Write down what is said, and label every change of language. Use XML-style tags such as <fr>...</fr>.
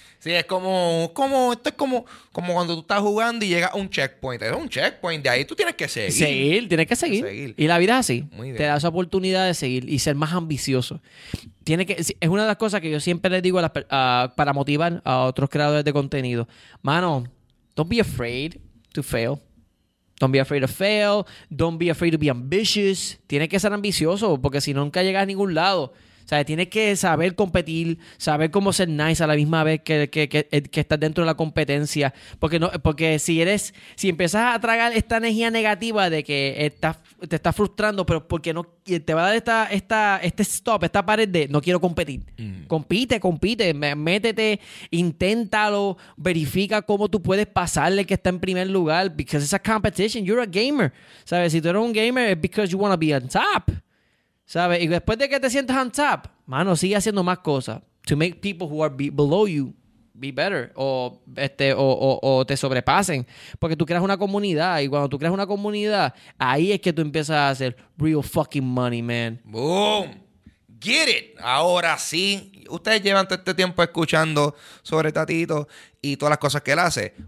<es>Sí, es como esto es como cuando tú estás jugando y llega un checkpoint. Es un checkpoint. De ahí tú tienes que seguir. Tienes que seguir. Y la vida es así. Te da esa oportunidad de seguir y ser más ambicioso. Es una de las cosas que yo siempre les digo para motivar a otros creadores de contenido.</es> <en>Mano, don't be afraid to fail. Don't be afraid to fail. Don't be afraid to be ambitious.</en> <es>Tienes que ser ambicioso porque si nunca llegas a ningún lado. O sea, tienes que saber competir, saber cómo ser nice a la misma vez que estás dentro de la competencia. Porque no, porque si empiezas a tragar esta energía negativa de que te estás frustrando, pero porque no te va a dar este stop, esta pared de no quiero competir. Compite, métete, inténtalo, verifica cómo tú puedes pasarle que está en primer lugar.</es> <en>Because it's a competition, you're a gamer.</en> <es>¿Sabes? Si tú eres un gamer,</es> <en>it's because you want to be on top.</en> <es>¿Sabes? Y después de que te sientas</es> <en>on top,</en> <es>mano, sigue haciendo más cosas.</es> <en>To make people who are below you be better.</en> <es>O te sobrepasen. Porque tú creas una comunidad. Y cuando tú creas una comunidad, ahí es que tú empiezas a hacer</es> <en>real fucking money, man. Boom. Get it.</en> <es>Ahora sí. Ustedes llevan todo este tiempo escuchando sobre Tatito y todas las cosas que él hace.</es>